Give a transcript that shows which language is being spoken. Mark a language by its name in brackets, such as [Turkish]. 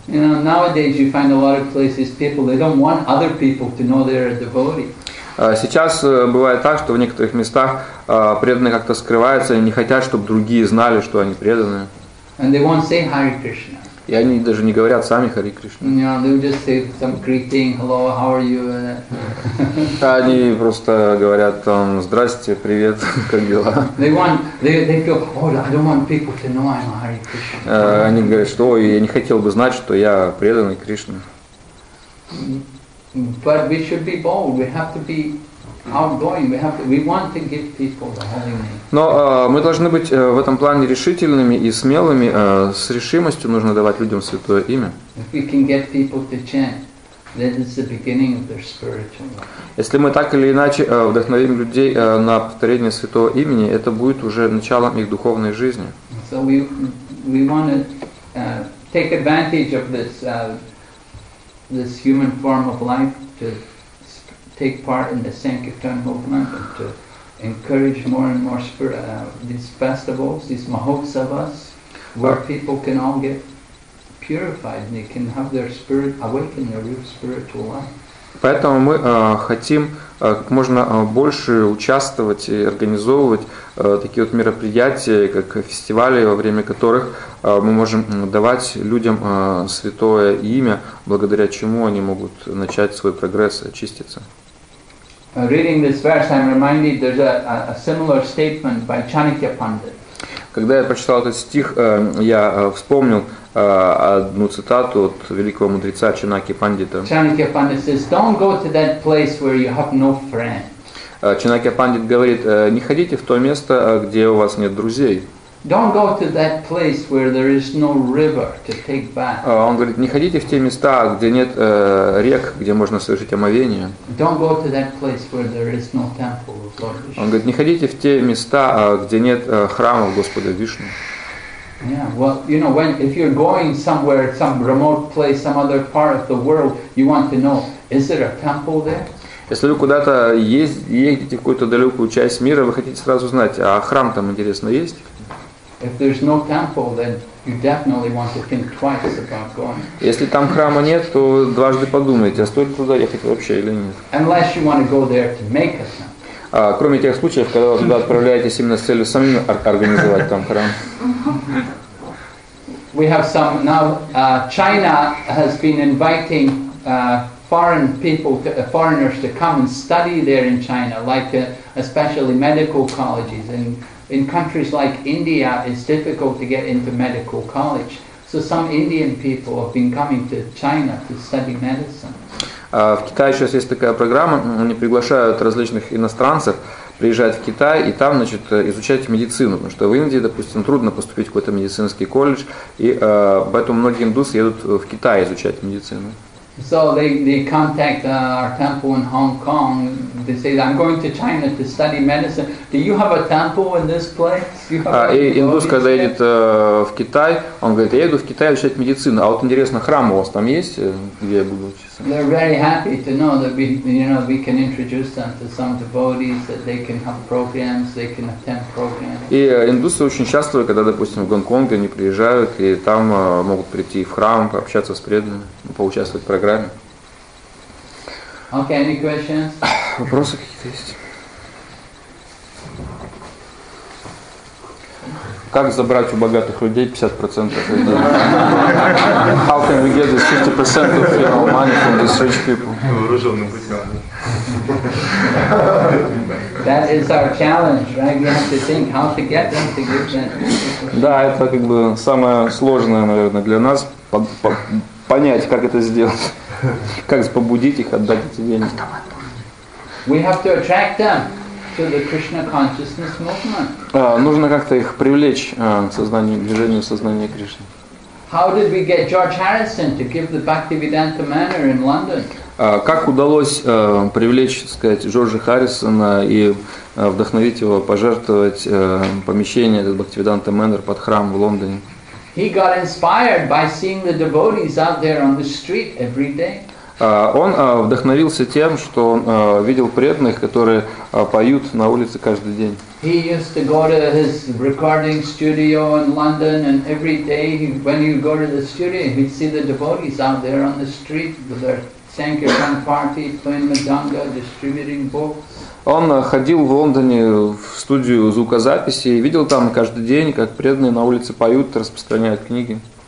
[Russian] Сейчас бывает так, что в некоторых местах преданные как-то скрываются и не хотят, чтобы другие знали, что они преданные. [English] And they won't say Hare Krishna. [Russian] И они даже не говорят сами Хари Кришна. [English] You know, they'll just say some greeting, hello, how are you? [Russian] Они просто говорят там, здрасте, привет, как дела? [English] They feel, oh, I don't want people to know I'm a Hare Krishna. [Russian] Они говорят, что я не хотел бы знать, что я преданный Кришне. [English] But we should be bold. We have to be outgoing. We want to give people the holy name. [Russian] Но мы должны быть в этом плане решительными и смелыми. С решимостью нужно давать людям святое имя. [English] If we can get people to chant then it's the beginning of their spiritual life. [Russian] Если мы так или иначе вдохновим людей на повторение святого имени, это будет уже началом их духовной жизни. [English] So we want to take advantage of this human form of life to take part in the Sankirtan movement and to encourage more and more these festivals, these Mahotsavas, where people can all get purified and they can have their spirit awaken their real spiritual life. [Russian] Поэтому мы хотим как можно больше участвовать и организовывать такие вот мероприятия, как фестивали, во время которых мы можем давать людям святое имя, благодаря чему они могут начать свой прогресс, очиститься. [English] Reading this verse, I'm reminded there's a similar statement by Chanakya Pandit. [Russian] Когда я прочитал этот стих, я вспомнил одну цитату от великого мудреца Чанаки Пандита. [English] Chanakya Pandit says, "Don't go to that place where you have no friend." [Russian] Чанакья Пандит говорит: "Не ходите в то место, где у вас нет друзей." [English] Don't go to that place where there is no river to take bath. [Russian] Он говорит: "Не ходите в те места, где нет рек, где можно совершить омовение." [English] Don't go to that place where there is no temple of Lord Vishnu. [Russian] Он говорит: "Не ходите в те места, где нет храма Господа Вишну." [English] Yeah, well, you know, if you're going somewhere, some remote place, some other part of the world, you want to know, is there a temple there? [Russian] Если вы куда-то едете в какую-то далекую часть мира, вы хотите сразу знать, а храм там, интересно, есть? [English] If there's no temple, then you definitely want to think twice about going. [Russian] Если там храма нет, то дважды подумайте, а стоит туда ехать вообще или нет? [English] Unless you want to go there to make a temple. [Russian] Кроме тех случаев, когда вы туда отправляетесь именно с целью самим организовать там храм. [English] We have some now. China has been inviting foreign people, foreigners, to come and study there in China, like especially medical colleges. And in countries like India, it's difficult to get into medical college. So some Indian people have been coming to China to study medicine. [Russian] В Китае сейчас есть такая программа, они приглашают различных иностранцев приезжать в Китай и там, значит, изучать медицину, потому что в Индии, допустим, трудно поступить в какой-то медицинский колледж, и поэтому многие индусы едут в Китай изучать медицину. [English] So they contact our temple in Hong Kong. They say, "I'm going to China to study medicine. Do you have a temple in this place?" [Russian] И индус, когда едет в Китай, он говорит: "Я еду в Китай учить медицину. А вот интересно, храм у вас там есть, где я буду учиться?" [English] They're very happy to know that we can introduce them to some devotees, that they can have programs, they can attend programs. [Russian] И индусы очень счастливы, когда, допустим, в Гонконг они приезжают и там могут прийти в храм, пообщаться с преданными, поучаствовать в программе. [English] Okay, any questions? [Russian] Вопросы какие-то есть? Как забрать у богатых людей 50% из денег? [English] How can we get this 50% of your money from these rich people? [Russian] Вооруженным путем. [English] That is our challenge, right? We have to think how to get them to give them. [Russian] Да, это как бы самое сложное, наверное, для нас понять, как это сделать. Как побудить их отдать эти деньги? [English] We have to attract them to the Krishna consciousness movement. [Russian] Нужно как-то их привлечь к сознанию, движению сознания Кришны. [English] How did we get George Harrison to give the Bhaktivedanta Manor in London? [Russian] Как удалось привлечь, так сказать, Джорджа Харрисона и вдохновить его пожертвовать помещение этот Bhaktivedanta Manor под храм в Лондоне? [English] He got inspired by seeing the devotees out there on the street every day. [Russian] Он вдохновился тем, что он видел преданных, которые поют на улице каждый день. [English] He used to go to his recording studio in London, and every day when he would go to the studio, he'd see the devotees out there on the street with their Sankirtan party, playing Madanga, distributing books. [Russian] Он ходил в Лондоне в студию звукозаписи и видел там каждый день, как преданные на улице поют, распространяют книги.